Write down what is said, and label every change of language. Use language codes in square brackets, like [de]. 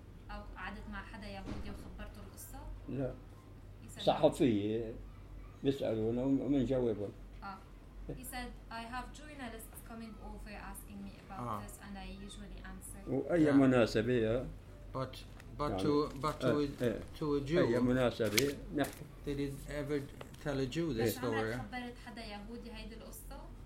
[ar] أو قعدت مع حدا يهودي وخبرته القصة؟ لا صحفية بيسألونا ومنجاوبهم [en] He said I have journalists coming over asking me about this and I usually answer [ar] وأي مناسبة [en] but to a Jew [ar] أي مناسبة نحكي [en] Did it ever tell a Jew this story؟ [ar] ليش عمرك خبرت حدا يهودي هيدي القصة؟